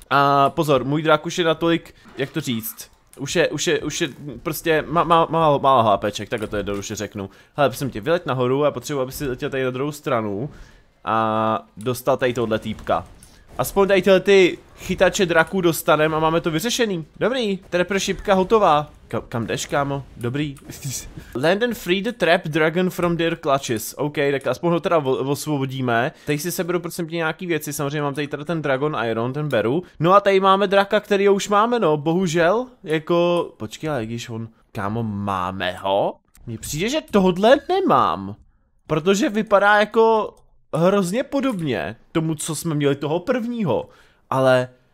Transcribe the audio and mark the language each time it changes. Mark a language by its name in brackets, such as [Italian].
[Czech] A pozor, můj drak už je natolik, jak to říct, už je prostě, má hápeček, takhle to jednoduše řeknu. Hele, prosím tě, vylet nahoru a potřebuji, aby si letěl tady na druhou stranu a dostal tady tohle týpka. Aspoň tady tyhle ty chytače draků dostaneme a máme to vyřešený. Dobrý, trapper šipka hotová. Kam jdeš, kámo? Dobrý. [English] Land and free the trap dragon from their clutches. [Czech] OK, tak aspoň ho teda osvobodíme. Teď si seberu prosím tě nějaký věci, samozřejmě mám tady teda ten dragon iron, ten beru. No a tady máme draka, který už máme, no, bohužel. Jako, počkej, ale když on, kámo, máme ho? Mně přijde, že tohle nemám. Protože vypadá jako hrozně podobně tomu, co jsme měli toho prvního, ale